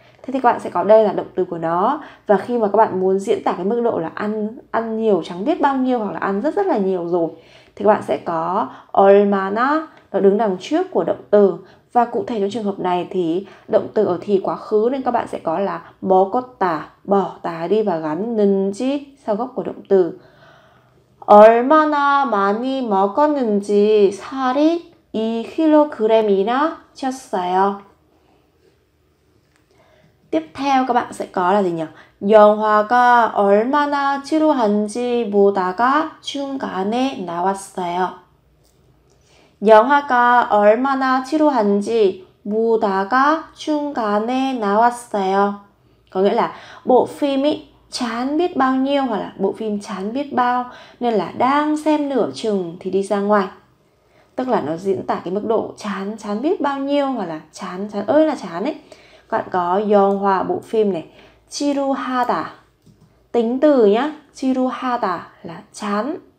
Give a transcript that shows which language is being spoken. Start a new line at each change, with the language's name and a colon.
Vietnamese: Thế thì các bạn sẽ có đây là động từ của nó. Và khi mà các bạn muốn diễn tả cái mức độ là ăn nhiều chẳng biết bao nhiêu hoặc là ăn rất rất là nhiều rồi thì các bạn sẽ có 얼마나, nó đứng đằng trước của động từ. Và cụ thể trong trường hợp này thì động từ ở thì quá khứ nên các bạn sẽ có là 먹었다, bỏ tà đi và gắn 는지 sau gốc của động từ.
Korean: 얼마나 많이 먹었는지 살이 2kg이나 쪘어요.
Vietnamese: Tiếp theo các bạn sẽ có là gì nhỉ?
Korean: 영화가 얼마나 지루한지 보다가 중간에 나왔어요. 영화가 얼마나 지루한지 보다가 중간에 나왔어요.
Vietnamese: Có nghĩa là bộ phim ý, chán biết bao nhiêu hoặc là bộ phim chán biết bao nên là đang xem nửa chừng thì đi ra ngoài. Tức là nó diễn tả cái mức độ chán biết bao nhiêu hoặc là chán ơi là chán ấy. Các bạn có 영화 bộ phim này, 지루하다 tính từ nhá, 지루하다 là chán.